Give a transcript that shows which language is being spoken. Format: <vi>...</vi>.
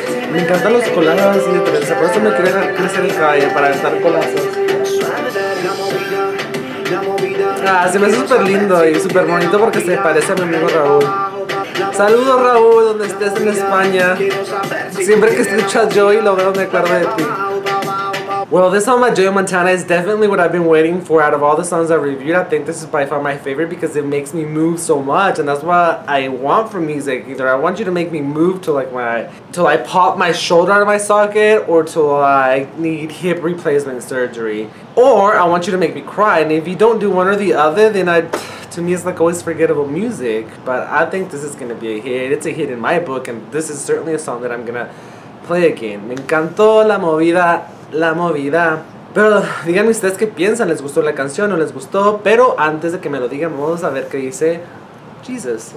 <es>Me encantan los colazos y por eso me quería crecer el cabello para estar colazos. Ah, se me hace súper lindo y súper bonito porque se parece a mi amigo Raúl. Saludos Raúl, donde estés en España. Siempre que escucho a Joey lo veo, me acuerdo de ti.</es> <en>Well, this song by Joey Montana is definitely what I've been waiting for out of all the songs I've reviewed. I think this is by far my favorite because it makes me move so much, and that's what I want from music. Either I want you to make me move to like my, till I pop my shoulder out of my socket, or till I need hip replacement surgery, or I want you to make me cry. And if you don't do one or the other, then to me it's like always forgettable music. But I think this is gonna be a hit. It's a hit in my book, and this is certainly a song that I'm gonna play again.</en> <es>Me encantó la movida. La movida. Pero díganme ustedes qué piensan, les gustó la canción, no les gustó. Pero antes de que me lo digan, vamos a ver qué dice Jesus.</es>